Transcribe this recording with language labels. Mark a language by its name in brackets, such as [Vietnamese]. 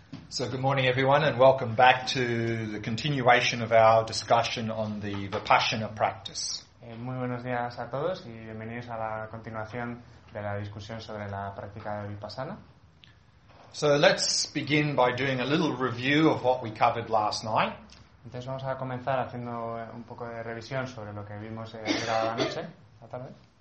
[English] So good morning, everyone, and welcome back to the continuation of our discussion on the Vipassana practice. [Spanish] Muy buenos días a todos y bienvenidos a la continuación de la discusión sobre la práctica de Vipassana. [English] So let's begin by doing a little review of what we covered last night. [Spanish] Entonces vamos a comenzar haciendo un poco de revisión sobre lo que vimos ayer a la noche, la tarde.